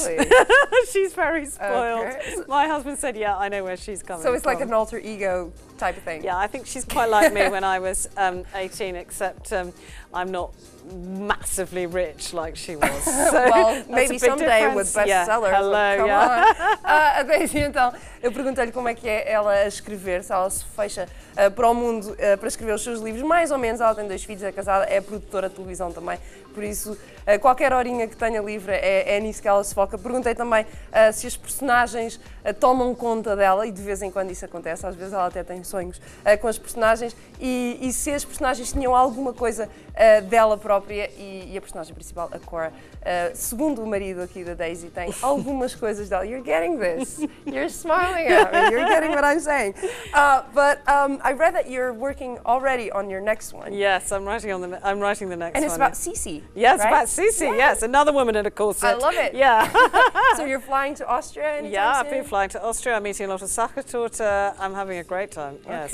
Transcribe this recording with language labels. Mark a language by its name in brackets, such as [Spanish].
[English] Really? She's very spoiled. Okay. My husband said, yeah, I know where she's coming from. So it's from. Like an alter ego type of thing. Yeah, I think she's quite like me when I was 18, except I'm not massively rich like she was. So well, maybe someday with bestsellers. Yeah. Hello, come yeah. on. [Portuguese] Até então, eu perguntei-lhe como é que é ela a escrever, se ela se fecha para o mundo para escrever os seus livros. Mais ou menos, ela tem dois filhos, é casada, é produtora de televisão também. Por isso, qualquer horinha que tenha livre é nisso que ela se foca. Perguntei também se as personagens tomam conta dela, e de vez em quando isso acontece, às vezes ela até tem sonhos com as personagens, e se as personagens tinham alguma coisa dela própria, e a personagem principal, a Cora, segundo o marido aqui da Daisy, tem algumas coisas dela. [English] You're getting this. You're smiling at me. You're getting what I'm saying. I read that you're working already on your next one. Yes, I'm writing the next one. And it's about Cece. Yes, right? About Cece, yeah. Yes, another woman in a corset. I love it. Yeah. So you're flying to Austria anytime Yeah, soon? I've been flying to Austria. I'm eating a lot of Sachertorte. I'm having a great time. Yes.